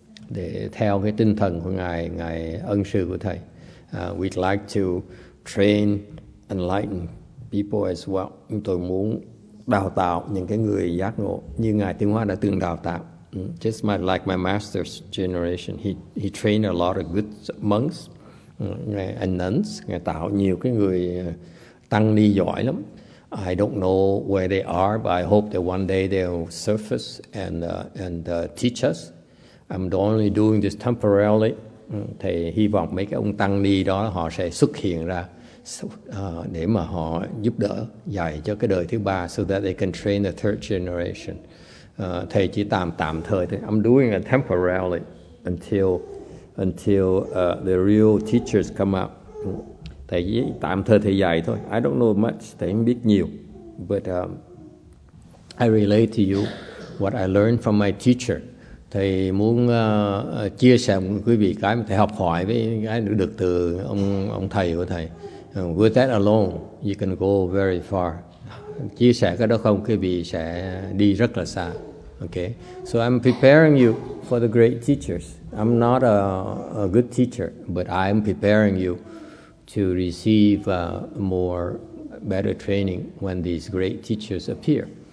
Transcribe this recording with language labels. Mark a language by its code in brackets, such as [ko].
[vi] để theo cái tinh thần của ngài, ngài ân sư của thầy. [en] We'd like to train enlightened people as well. [vi] Chúng tôi muốn đào tạo những cái người giác ngộ như ngài Tiên Hoa đã từng đào tạo. [en] Just like my master's generation, he trained a lot of good monks and nuns. [vi] Ngài tạo nhiều cái người tăng ni giỏi lắm. [en] I don't know where they are, but I hope that one day they'll surface and teach us. I'm only doing this temporarily. [vi] Thầy hy vọng mấy cái ông tăng ni đó họ sẽ xuất hiện ra để mà họ giúp đỡ dạy cho cái đời thứ ba, [en] so that they can train the third generation. [vi] Thầy chỉ tạm thời thôi. [en] I'm doing it temporarily until the real teachers come up. [vi] Thầy chỉ tạm thời thầy dạy thôi. [en] I don't know much. [vi] Thầy không biết nhiều. [en] But I relate to you what I learned from my teacher. [vi] Thầy muốn chia sẻ với quý vị cái mà thầy học hỏi với cái được từ ông thầy của thầy. [en] With that alone, you can go very far. [vi] Chia sẻ cái đó không, quý vị sẽ đi rất là xa. [en] Okay. So I'm preparing you for the great teachers. I'm not a good teacher, but I'm preparing you to receive more better training when these great teachers appear.